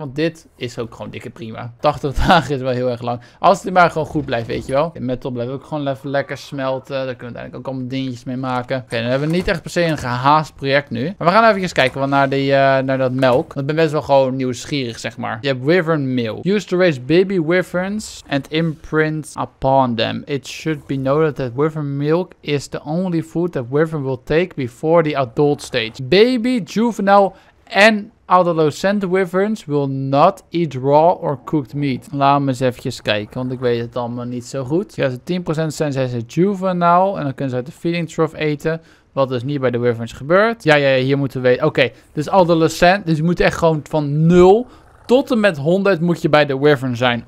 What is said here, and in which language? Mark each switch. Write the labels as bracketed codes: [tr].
[nl] Want dit is ook gewoon dikke prima. 80 dagen is wel heel erg lang. Als het maar gewoon goed blijft, weet je wel. De metal blijft ook gewoon even lekker smelten. Daar kunnen we uiteindelijk ook allemaal dingetjes mee maken. Oké, dan hebben we niet echt per se een gehaast project nu. Maar we gaan even kijken naar, naar dat melk. Want ik ben best wel gewoon nieuwsgierig, zeg maar. Je hebt wyvern meal. [en] Use to raise baby wyverns and imprint upon them. It should be noted that wyvern milk is the only food that wyvern will take before the adult stage. Baby, juvenile and adolescent wyverns will not eat raw or cooked meat. [nl] Laat me eens even kijken, want ik weet het allemaal niet zo goed. Ja, ze 10% zijn ze juvenile en dan kunnen ze uit de feeding trough eten. Wat dus niet bij de wyverns gebeurt. Ja, ja, ja, hier moeten we weten. Oké, okay, dus adolescent, dus je moet echt gewoon van 0 tot en met 100 moet je bij de wyvern zijn.